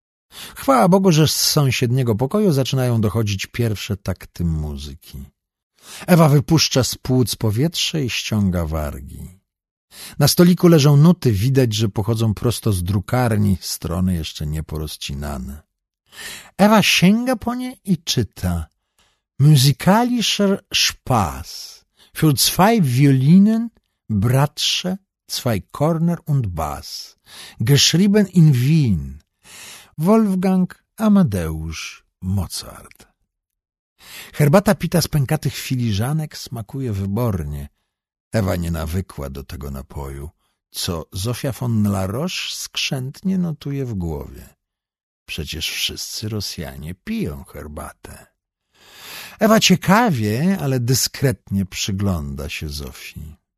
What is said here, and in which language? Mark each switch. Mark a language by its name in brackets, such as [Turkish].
[Polish] Chwała Bogu, że z sąsiedniego pokoju zaczynają dochodzić pierwsze takty muzyki. Ewa wypuszcza z płuc powietrze i ściąga wargi. Na stoliku leżą nuty, widać, że pochodzą prosto z drukarni, strony jeszcze nieporozcinane. Ewa sięga po nie i czyta. [German] Musikalischer Spaß für zwei Violinen, Bratsche, zwei Körner und Bass, geschrieben in Wien, Wolfgang Amadeusz Mozart. [Polish] Herbata pita z pękatych filiżanek smakuje wybornie. Ewa nie nawykła do tego napoju, co Zofia von La Roche skrzętnie notuje w głowie. Przecież wszyscy Rosjanie piją herbatę. Ewa ciekawie, ale dyskretnie przygląda się Zofii.